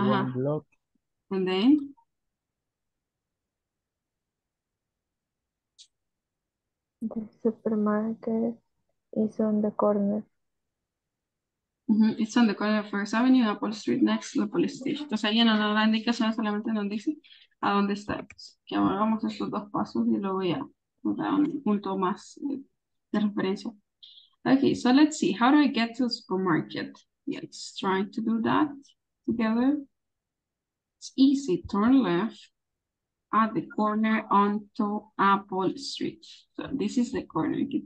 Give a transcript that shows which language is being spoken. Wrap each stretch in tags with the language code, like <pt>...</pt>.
<en>Ajá. One block. And then? The supermarket is on the corner. Mm-hmm. It's on the corner of First Avenue, Apple Street, next to the police station.</en> <es>Entonces, ahí no nos da indicación, solamente nos dice a dónde está. Que hagamos estos dos pasos y luego ya un punto más de referencia.</es> <en>Okay, so let's see. How do I get to the supermarket? Yeah, let's try to do that. together. It's easy. Turn left at the corner onto Apple Street. So this is the corner.</en>